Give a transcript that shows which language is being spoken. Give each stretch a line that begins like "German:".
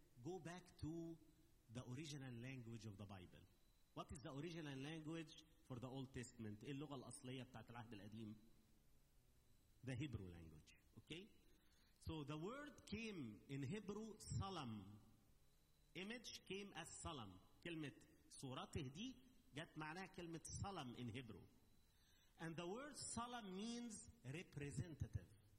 English: go back to the original language of the Bible. What is the original language for the Old Testament?
Arabic: اللغة الأصلية بتاعت العهد القديم.
English: The Hebrew language. Okay? So the word came in Hebrew, salam. Image came as salam.
Arabic: كلمة صورته دي جت معناها كلمة salam
English: in Hebrew. And the word salam means representative.